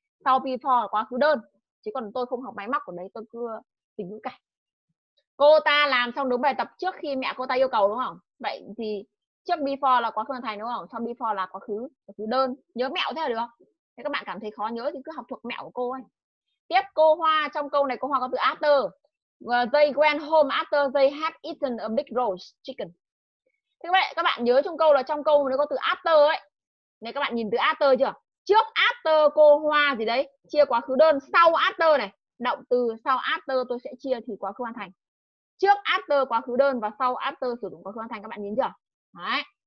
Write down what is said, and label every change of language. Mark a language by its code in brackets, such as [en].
[vi] Sau before quá khứ đơn. Chứ còn tôi không học máy móc của đấy, tôi cứ tính ngữ cảnh. Cô ta làm xong đúng bài tập trước khi mẹ cô ta yêu cầu đúng không? Vậy thì trước before là quá khứ hoàn thành đúng không? Sau before là quá khứ đơn. Nhớ mẹo thế là được. Thế các bạn cảm thấy khó nhớ thì cứ học thuộc mẹo của cô ấy. Tiếp cô Hoa, trong câu này cô Hoa có từ after. [en] They went home after they had eaten a big roast chicken. [vi] Thế các bạn nhớ trong câu là trong câu nó có từ after ấy. Này các bạn nhìn từ after chưa? Trước after cô Hoa gì đấy, chia quá khứ đơn, sau after này, động từ sau after tôi sẽ chia thì quá khứ hoàn thành. Trước after quá khứ đơn và sau after sử dụng quá khứ hoàn thành, các bạn nhìn chưa? Đấy.